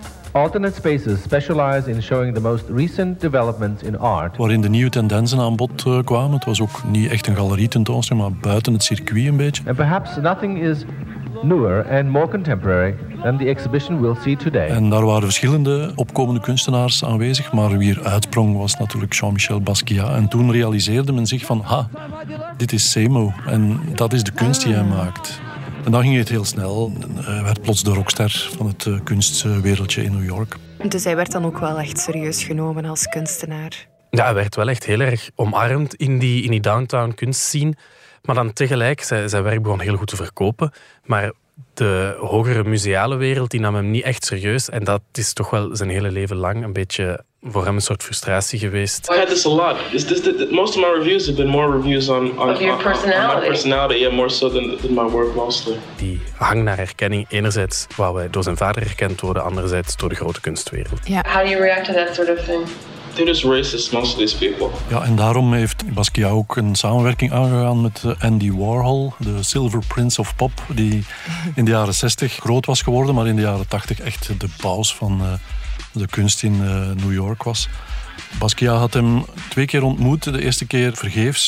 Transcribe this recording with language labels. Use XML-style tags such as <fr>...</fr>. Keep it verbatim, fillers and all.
<en>Alternate spaces specialize in showing the most recent developments in art.</en> <nl>Waarin de nieuwe tendensen aan bod kwamen. Het was ook niet echt een galerietentoonstelling, maar buiten het circuit een beetje.</nl> <en>And perhaps nothing is newer and more contemporary than the exhibition we'll see today.</en> <nl>En daar waren verschillende opkomende kunstenaars aanwezig, maar wie er uitsprong was natuurlijk Jean-Michel Basquiat. En toen realiseerde men zich van, ha, dit is Samo en dat is de kunst die hij maakt. En dan ging het heel snel. Hij werd plots de rockster van het kunstwereldje in New York. Dus hij werd dan ook wel echt serieus genomen als kunstenaar? Ja, hij werd wel echt heel erg omarmd in die, in die downtown kunstscene. Maar dan tegelijk, zijn, zijn werk begon heel goed te verkopen. Maar de hogere museale wereld, die nam hem niet echt serieus. En dat is toch wel zijn hele leven lang een beetje voor hem een soort frustratie geweest.</nl> <en>I had this a lot. This, this, this, most of my reviews have been more reviews on, on, on your personality. On my personality, yeah, more so than, than my work mostly.</en> <nl>Die hang naar herkenning, enerzijds wou hij door zijn vader herkend worden, anderzijds door de grote kunstwereld.</nl> <en>Yeah. How do you react to that sort of thing? They're just racist, most of these people.</en> <nl>Ja, en daarom heeft Basquiat ook een samenwerking aangegaan met Andy Warhol, de Silver Prince of Pop, die in de jaren zestig groot was geworden, maar in de jaren tachtig echt de paus van de kunst in New York was. Basquiat had hem twee keer ontmoet. De eerste keer vergeefs.</nl>